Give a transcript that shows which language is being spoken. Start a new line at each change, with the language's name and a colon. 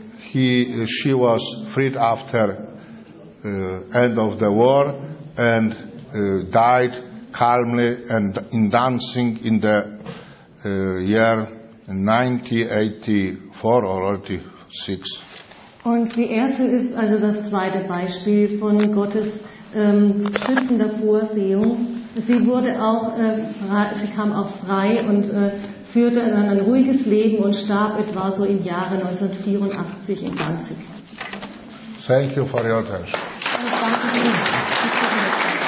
English: She was freed after end of the war and died calmly and in dancing in the year 1984 or 86.
German: Und die erste ist also das zweite Beispiel von Gottes schützender Vorsehung. Sie wurde auch sie kam auch frei und führte dann ein ruhiges Leben und starb, es war so im Jahre 1984 in Danzig.
English: Thank you for your attention.